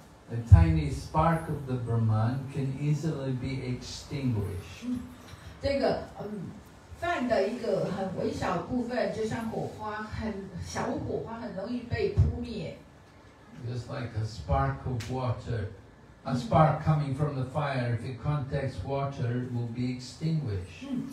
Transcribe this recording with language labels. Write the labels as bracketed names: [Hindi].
[English] A tiny spark of the Brahman can easily be extinguished. [Chinese] 这个饭的一个很微小部分，就像火花，很小火花，很容易被扑灭。 [English] Just like a spark of water, a spark coming from the fire. If it contacts water, it will be extinguished.